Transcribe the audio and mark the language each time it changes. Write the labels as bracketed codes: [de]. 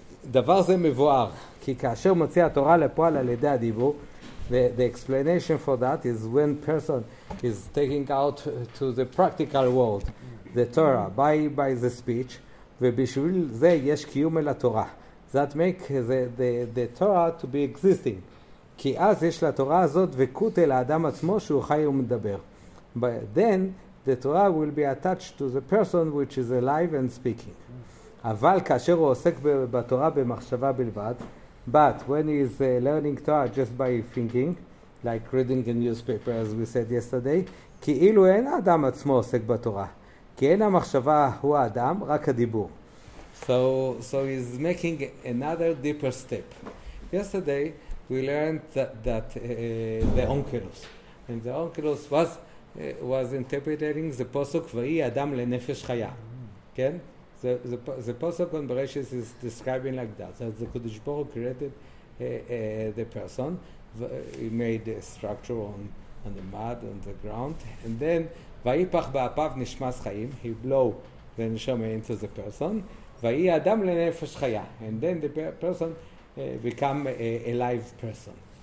[he] דבר זה מבואר כי כאשר מוציא התורה לפועל על ידי הדיבור. [en] The explanation for that is when person is taking out to the practical world the Torah by the speech. [he] ובשביל זה יש קיום אל התורה. [en] That make the Torah to be existing. [he] כי אז יש לתורה הזאת וקוט אל האדם עצמו שהוא חי ומדבר. [en] But then the Torah will be attached to the person which is alive and speaking. [he] אבל כאשר הוא עוסק בתורה במחשבה בלבד, [en] but when he is learning Torah just by thinking, like reading a newspaper, as we said yesterday, [he] כאילו אין האדם עצמו עוסק בתורה, כי אין המחשבה הוא האדם, רק הדיבור. [en] So he's making another deeper step. Yesterday we learned that the Onkelos, and the Onkelos was interpreting the posuk [he] ויהי אדם לנפש חיה, [en] כן? The Pasuk on Bereshis is describing like that, that the Kodesh Baruch Hu created the person, he made a structure on the mud, on the ground, and then [he] Vayipach ba'apav nishmas chayim, [en] he blow the neshama into the person, [he] Vayi adam lenefesh chaya, [en] and then the person become a live person.